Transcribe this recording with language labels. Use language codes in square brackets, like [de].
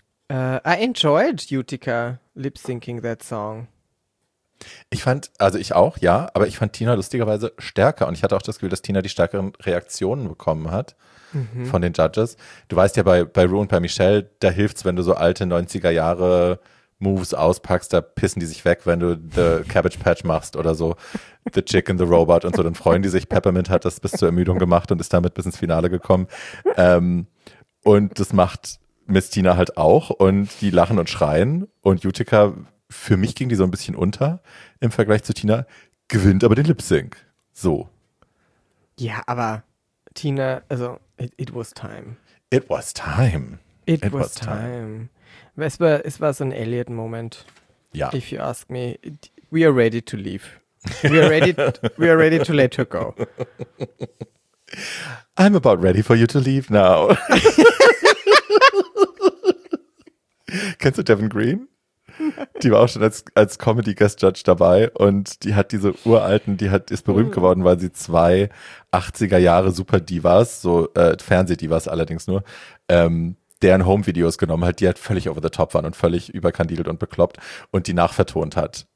[en] I enjoyed Utica lip-syncing that song. [de] Ich fand Tina lustigerweise stärker und ich hatte auch das Gefühl, dass Tina die stärkeren Reaktionen bekommen hat von den Judges. Du weißt ja, bei Ru und bei Michelle, da hilft's, wenn du so alte 90er Jahre Moves auspackst, da pissen die sich weg, wenn du The Cabbage Patch machst oder so, The Chick and the Robot und so, dann freuen die sich. Peppermint hat das bis zur Ermüdung gemacht und ist damit bis ins Finale gekommen. Und das macht Miss Tina halt auch und die lachen und schreien und Utica, für mich ging die so ein bisschen unter im Vergleich zu Tina, gewinnt aber den Lip-Sync. So. Ja, aber Tina, also [en] it was time. It was time. It was time. [de] Es war so ein Elliot-Moment. Ja. [en] If you ask me, we are ready to leave. We are ready to let her go. I'm about ready for you to leave now. [de] Kennst du Devin Green? Die war auch schon als Comedy Guest Judge dabei und die hat diese uralten, ist berühmt geworden, weil sie zwei 80er Jahre Super Divas, so Fernseh-Divas allerdings nur, deren Home-Videos genommen hat, die halt völlig [en] over the top [de] waren und völlig überkandidelt und bekloppt und die nachvertont hat.